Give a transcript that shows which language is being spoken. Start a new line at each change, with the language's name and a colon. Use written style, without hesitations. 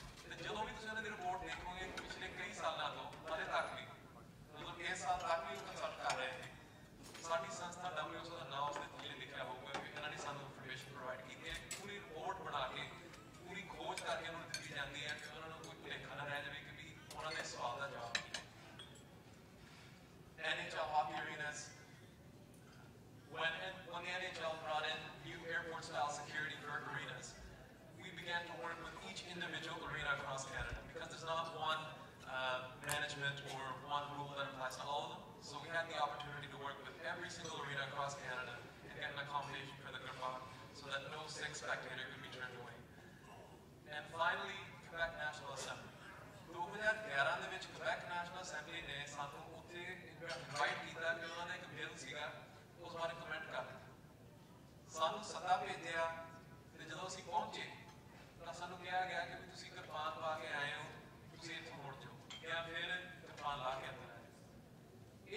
Punjabi: ਤੇ ਜਦੋਂ ਵੀ ਤੁਸੀਂ ਉਹਨਾਂ ਦੀ ਰਿਪੋਰਟ ਦੇਖੋਗੇ ਪਿਛਲੇ ਕਈ ਸਾਲਾਂ ਤੋਂ ਹਜੇ ਤੱਕ ਵੀ, ਮਤਲਬ ਇਸ ਸਾਲ ਤੱਕ ਵੀ ਉਹ ਕੰਸਲਟ ਕਰ ਰਹੇ ਨੇ। ਸਾਡੀ ਸੰਸਥਾ ਡਬਲਿਊ ਦਾ ਨਾਂ ਉਸਦੇ ਥੱਲੇ ਲਿਖਿਆ ਹੋਊਗਾ ਕਿ ਇਹਨਾਂ ਨੇ ਸਾਨੂੰ ਇਨਫੋਰਮੇਸ਼ਨ ਪ੍ਰੋਵਾਈਡ ਕੀਤੀ ਹੈ। ਪੂਰੀ ਰਿਪੋਰਟ ਬਣਾ ਕੇ ਪੂਰੀ ਖੋਜ ਕਰਕੇ ਉਹਨਾਂ ਨੂੰ ਦਿੱਤੀ ਜਾਂਦੀ ਹੈ ਕਿ ਉਹਨਾਂ ਨੂੰ ਕੋਈ ਭੁਲੇਖਾ ਨਾ ਰਹਿ ਜਾਵੇ ਕਿ ਵੀ ਉਹਨਾਂ ਦੇ ਸਵਾਲ ਦਾ ਜਵਾਬ ਕੀ ਹੈ।
English: NHL Hockey Arenas. When the NHL brought in new airport-style security for arenas, we began to work with each individual arena across Canada because there's not one management or one rule that applies to all of them. So we had the opportunity to work with every single arena across Canada and get an accommodation for the Gurbaan so that no sick spectator could be turned away. And finally, Quebec National Assembly.
Punjabi: 2011 ਦੇ ਵਿੱਚ Quebec national assembly ਨੇ ਸਾਨੂੰ ਉੱਥੇ invite ਕੀਤਾ ਕਿ ਉਹਨਾਂ ਦਾ ਇੱਕ bill ਸੀਗਾ ਉਸ ਬਾਰੇ ਕਮੈਂਟ ਕਰ ਦਿੱਤਾ। ਸਾਨੂੰ ਸੱਦਾ ਭੇਜਿਆ ਅਤੇ ਜਦੋਂ ਅਸੀਂ ਪਹੁੰਚੇ ਤਾਂ ਸਾਨੂੰ ਕਿਹਾ ਗਿਆ ਕਿ ਵੀ ਤੁਸੀਂ ਕਿਰਪਾਨ ਪਾ ਕੇ ਆਏ ਹੋ, ਤੁਸੀਂ ਇੱਥੋਂ ਮੁੜ ਜਾਓ ਜਾਂ ਫਿਰ ਕਿਰਪਾਨ ਲਾ ਕੇ ਅੰਦਰ ਆਏ।